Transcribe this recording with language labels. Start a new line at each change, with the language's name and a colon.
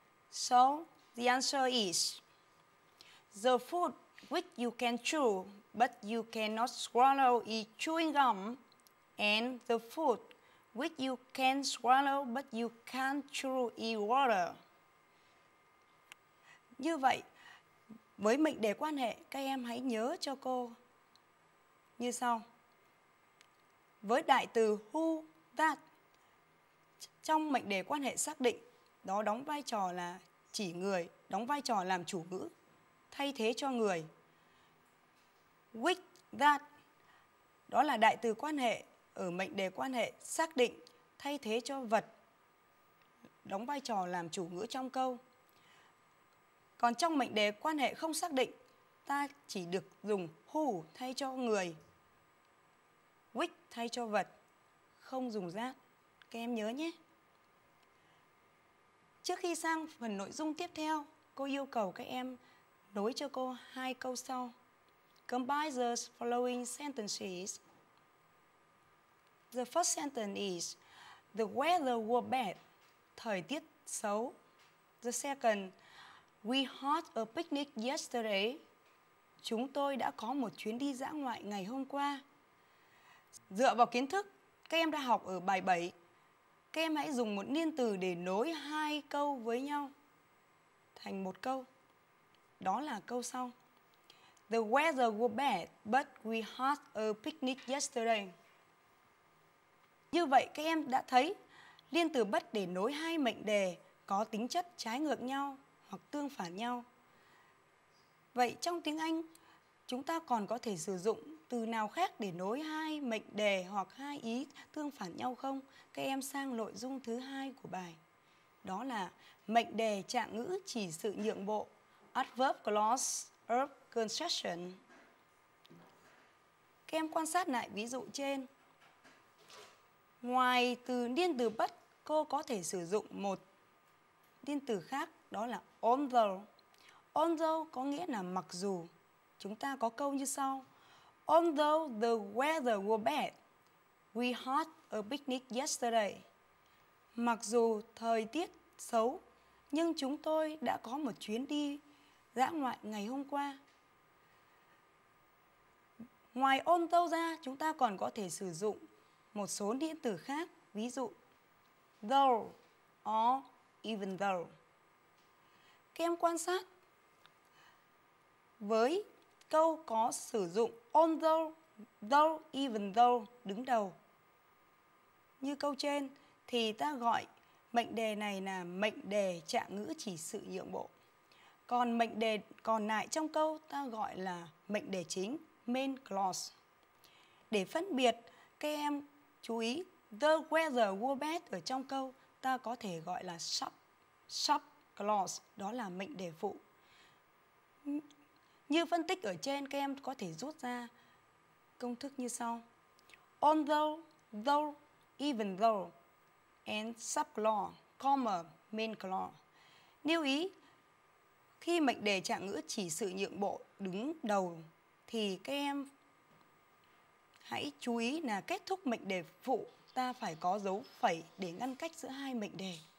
English: So the answer is the food which you can chew but you cannot swallow is chewing gum and the food which you can swallow but you can't chew in water.
Vietnamese: Như vậy, với mệnh đề quan hệ, các em hãy nhớ cho cô như sau. Với đại từ who, that, trong mệnh đề quan hệ xác định, đó đóng vai trò là chỉ người, đóng vai trò làm chủ ngữ, thay thế cho người. Which, that, đó là đại từ quan hệ. Ở mệnh đề quan hệ xác định thay thế cho vật, đóng vai trò làm chủ ngữ trong câu. Còn trong mệnh đề quan hệ không xác định, ta chỉ được dùng who thay cho người, which thay cho vật, không dùng that. Các em nhớ nhé. Trước khi sang phần nội dung tiếp theo, cô yêu cầu các em nối cho cô hai câu sau.
English: Combine the following sentences. The first sentence is, the weather was bad,
Vietnamese: thời tiết xấu.
English: The second, we had a picnic yesterday,
Vietnamese: chúng tôi đã có một chuyến đi dã ngoại ngày hôm qua. Dựa vào kiến thức các em đã học ở bài 7, các em hãy dùng một niên từ để nối hai câu với nhau thành một câu. Đó là câu sau.
English: The weather was bad, but we had a picnic yesterday.
Vietnamese: Như vậy các em đã thấy liên từ but để nối hai mệnh đề có tính chất trái ngược nhau hoặc tương phản nhau. Vậy trong tiếng Anh chúng ta còn có thể sử dụng từ nào khác để nối hai mệnh đề hoặc hai ý tương phản nhau không? Các em sang nội dung thứ hai của bài. Đó là mệnh đề trạng ngữ chỉ sự nhượng bộ,
English: adverb clause of concession.
Vietnamese: Các em quan sát lại ví dụ trên. Ngoài từ niên từ bất, cô có thể sử dụng một niên từ khác, đó là although. Although có nghĩa là mặc dù. Chúng ta có câu như sau.
English: Although the weather was bad, we had a picnic yesterday.
Vietnamese: Mặc dù thời tiết xấu, nhưng chúng tôi đã có một chuyến đi dã ngoại ngày hôm qua. Ngoài although ra, chúng ta còn có thể sử dụng một số niên từ khác, ví dụ though or even though. Các em quan sát với câu có sử dụng although, though, even though đứng đầu. Như câu trên thì ta gọi mệnh đề này là mệnh đề trạng ngữ chỉ sự nhượng bộ. Còn mệnh đề còn lại trong câu ta gọi là mệnh đề chính, main clause. Để phân biệt, các em chú ý,
English: the weather was bad
Vietnamese: ở trong câu ta có thể gọi là sub clause, đó là mệnh đề phụ. Như phân tích ở trên, các em có thể rút ra công thức như sau.
English: Although, though, even though, and subclause, comma, main clause.
Vietnamese: Lưu ý, khi mệnh đề trạng ngữ chỉ sự nhượng bộ đứng đầu, thì các em hãy chú ý là kết thúc mệnh đề phụ, ta phải có dấu phẩy để ngăn cách giữa hai mệnh đề.